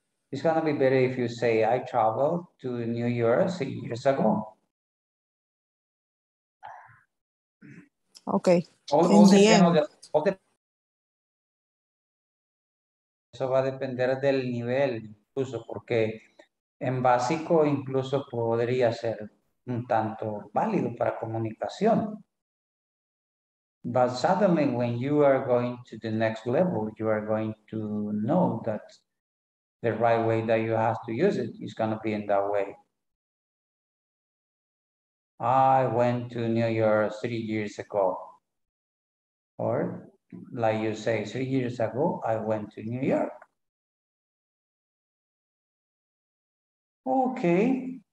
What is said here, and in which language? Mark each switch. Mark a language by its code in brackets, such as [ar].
[en] It's gonna be better if you say I traveled to New York 6 years ago. Okay. [es] Eso va a depender del nivel, incluso porque en básico incluso podría ser un tanto válido para comunicación. [en] But suddenly when you are going to the next level, you are going to know that the right way that you have to use it is going to be in that way. I went to New York 3 years ago. Or like you say, 3 years ago, I went to New York. Okay,